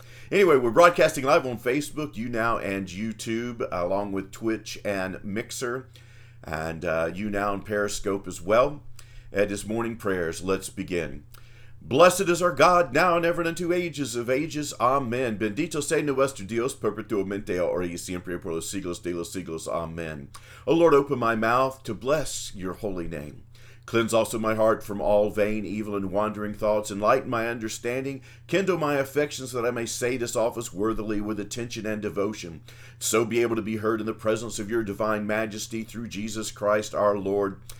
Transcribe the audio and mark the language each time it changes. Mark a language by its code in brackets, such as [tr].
[en] Anyway, we're broadcasting live on Facebook, YouNow, and YouTube, along with Twitch and Mixer, and YouNow and Periscope as well. At his morning prayers, let's begin. Blessed is our God, now and ever and unto ages of ages. Amen. [es] Bendito sea nuestro Dios, perpetuamente, ahora y siempre, por los siglos de los siglos. [en] Amen. O Lord, open my mouth to bless your holy name. Cleanse also my heart from all vain, evil, and wandering thoughts. Enlighten my understanding. Kindle my affections that I may say this office worthily with attention and devotion. So be able to be heard in the presence of your divine majesty through Jesus Christ our Lord.